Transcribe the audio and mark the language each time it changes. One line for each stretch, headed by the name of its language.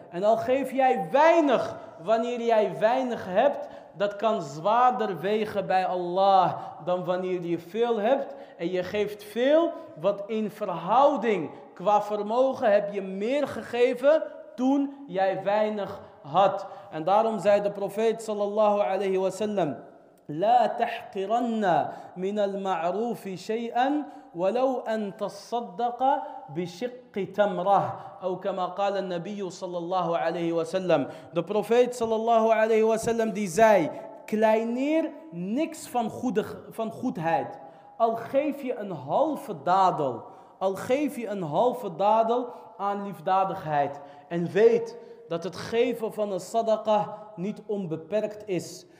Dutch: En al geef jij weinig wanneer jij weinig hebt, dat kan zwaarder wegen bij Allah dan wanneer je veel hebt. En je geeft veel, want in verhouding qua vermogen heb je meer gegeven toen jij weinig had. En daarom zei de profeet
Arabic: sallallahu alayhi wa sallam, لا تحقرن من المعروف شيئا ولو أن تصدق بشق تمرة أو كما قال النبي صلى الله عليه وسلم.
Dutch: De profeet صلى الله عليه وسلم die zei, kleineer niks van goedheid. Al geef je een halve dadel, al geef je een halve dadel aan liefdadigheid. En weet dat het geven van een sadaqah niet onbeperkt is.